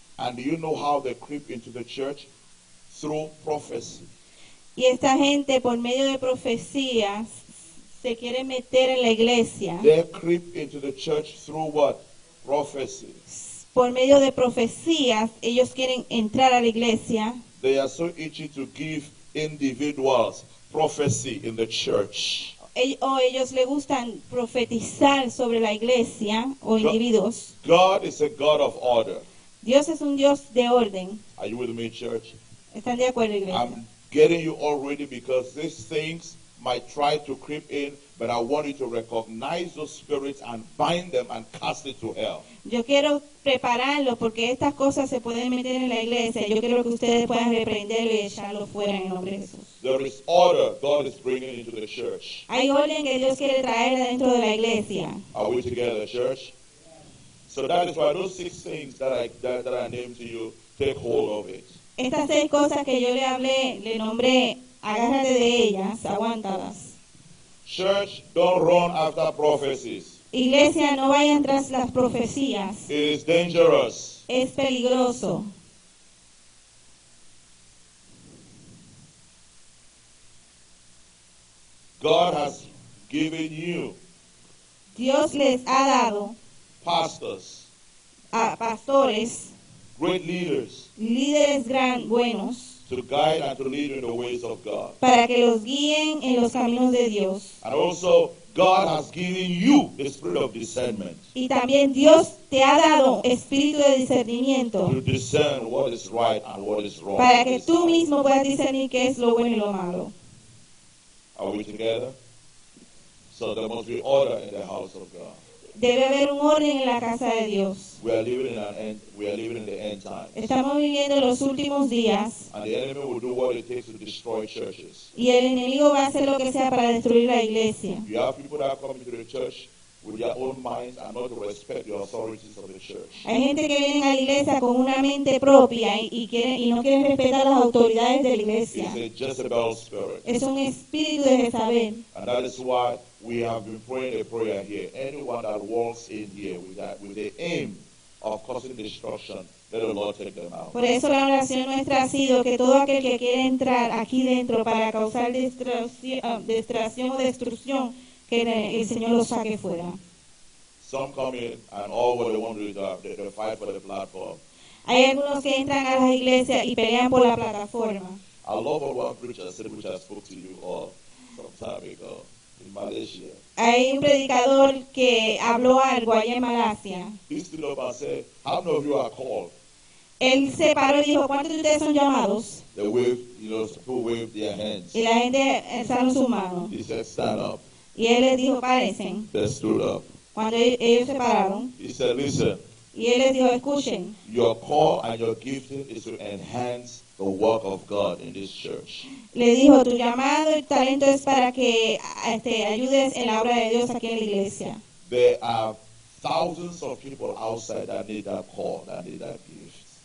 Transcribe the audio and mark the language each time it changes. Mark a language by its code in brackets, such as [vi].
[en] And do you know how they creep into the church? Through prophecy. [es] Y esta gente, por medio de profecías, se quiere meter en la iglesia. [en] They creep into the church through what? Prophecy. [es] Por medio de profecías, ellos quieren entrar a la iglesia. [en] They are so itchy to give individuals prophecy in the church. [es] O ellos le gustan profetizar sobre la iglesia o individuos. [en] God is a God of order. [es] Dios es un Dios de orden. [en] Are you with me, church? [es] ¿Están de acuerdo, iglesia? [en] I'm getting you already because these things might try to creep in, but I want you to recognize those spirits and bind them and cast it to hell. [es] Yo quiero prepararlo porque estas cosas se pueden meter en la iglesia. Yo quiero que ustedes puedan reprenderlo y echarlo fuera en nombre de Jesús. [en] There is order God is bringing into the church. [es] Hay orden que Dios quiere traer dentro de la iglesia. [en] Are we together, church? So that is why those six things that I named to you, take hold of it. [es] Estas seis cosas que yo le hablé, le nombré, agárrate de ellas, aguántalas. [en] Church, don't run after prophecies. [es] Iglesia, no vayan tras las profecías. [en] It is dangerous. [es] Es peligroso. [en] God has given you. [es] Dios les ha dado. [en] Pastors. [es] Pastores. [en] Great leaders. [es] Líderes gran buenos. [en] To guide and to lead you in the ways of God. [es] Para que los guíen en los caminos de Dios. [en] And also, God has given you the spirit of discernment. [es] Y también Dios te ha dado espíritu de discernimiento. [en] To discern what is right and what is wrong. [es] Para que tú mismo puedas discernir qué es lo bueno y lo malo. [en] Are we together? So there must be order in the house of God. [es] Debe haber un orden en la casa de Dios. [en] We are living in the end time. [es] Estamos viviendo los últimos días. [en] And the enemy will do what it takes to destroy churches. [es] Y el enemigo va a hacer lo que sea para destruir la iglesia. [en] You have people that come into the church with their own minds and not respect the authorities of the church. [es] Hay gente que viene a la iglesia con una mente propia y no quieren respetar las autoridades de la iglesia. [en] It's a Jezebel spirit. [es] Es un espíritu de Jezabel. [en] And that is why we have been praying a prayer here. Anyone that walks in here with the aim of causing destruction, let the Lord take them out. [es] Por eso la oración nuestra ha sido que todo aquel que quiere entrar aquí dentro para causar destrucción o destrucción, que el Señor lo saque fuera. [en] Some come in and all what they want to do is they fight for the platform. [es] Hay algunos que entran a la iglesia y pelean por la plataforma. [en] I love what one preacher said, which I spoke to you all some time ago. [es] Hay un predicador que habló algo allá en Malasia. [en] He stood up and said, "How many of you are called?" [es] Él se paró y dijo, "¿Cuántos de ustedes son llamados?" [en] They waved, you know, who waved their hands. [es] Y la gente alzaron su mano. [en] He said, "Stand up." [es] Y él les dijo, "Párense." [en] They stood up. [es] Cuando ellos se pararon. [en] He said, "Listen." [es] Y él les dijo, "Escuchen." [en] Your call and your gifting is to enhance the work of God in this church. [es] Le dijo, tu llamado y talento es para que ayudes en la obra de Dios aquí en la iglesia. [en] There are thousands of people outside that need that call, that need that gift.